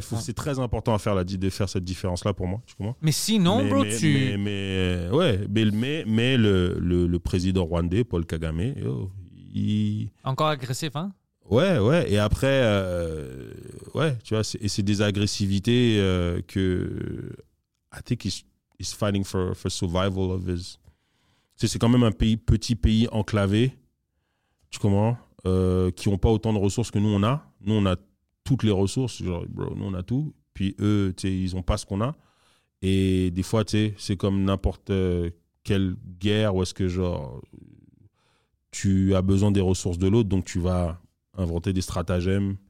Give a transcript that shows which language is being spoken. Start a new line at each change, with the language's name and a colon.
French: C'est très important à faire de faire cette différence-là pour moi. Tu comprends? Mais sinon, bro, tu... Mais le président rwandais, Paul Kagame, yo, il... Encore agressif, hein? Ouais, ouais. Et après, ouais, tu vois, c'est des agressivités que...
English: I think he's fighting for survival of his...
French: C'est quand même un pays, petit pays enclavé, tu comprends, qui n'ont pas autant de ressources que nous, on a. Nous, on a toutes les ressources, genre, bro, nous, on a tout. Puis eux, tu sais, ils n'ont pas ce qu'on a. Et des fois, tu sais, c'est comme n'importe quelle guerre où est-ce que, genre, tu as besoin des ressources de l'autre, donc tu vas inventer des stratagèmes.